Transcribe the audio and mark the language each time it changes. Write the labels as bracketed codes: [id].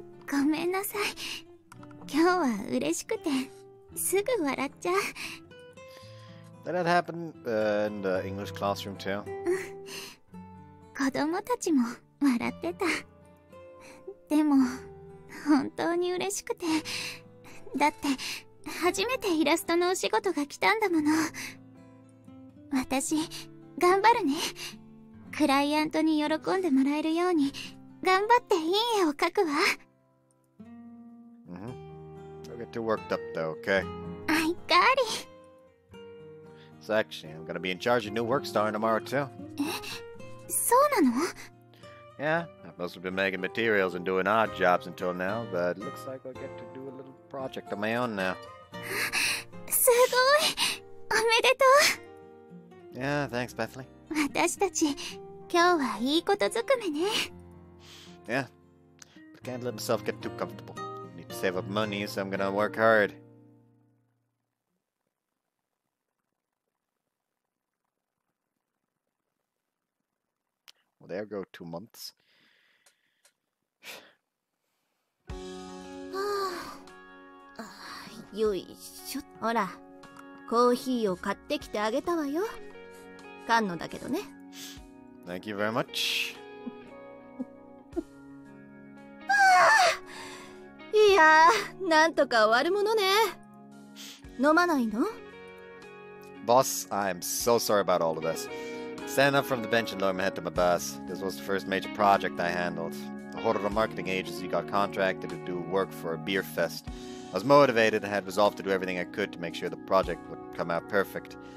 [ja] ごめんなさい。今日は嬉しくて。すぐ笑っちゃう。 [en] Did that happen in the English classroom too? [ja] 子供たちも笑ってた。でも本当に嬉しくて、だって初めてイラストのお仕事が来たんだもの。私頑張るね。クライアントに喜んでもらえるように頑張っていい絵を描くわ。 [en] Don't get too worked up though, okay? I got it! So actually, I'm gonna be in charge of new work starting tomorrow too. [ja] そうなの? [en] Yeah, I've mostly been making materials and doing odd jobs until now, but it looks like I'll get to do a little project of my own now. [ja] すごい!おめでとう! [en] Yeah, thanks, Bethly. [ja] 私たち、今日はいいことづくめね。 [en] Yeah, but can't let myself get too comfortable. Save up money, so I'm gonna work hard. Well, there go 2 months. [ja] よいしょ。ほら、コーヒーを買ってきてあげたわよ。缶のだけどね。 [en] Thank you very much. [ja] いやー、なんとか終わるものね。飲まないの? [en] Boss, I am so sorry about all of this. Standing up from the bench and lowering my head to my boss. This was the first major project I handled. The head of the marketing agency got contracted to do work for a beer fest. I was motivated and had resolved to do everything I could to make sure the project would come out perfect.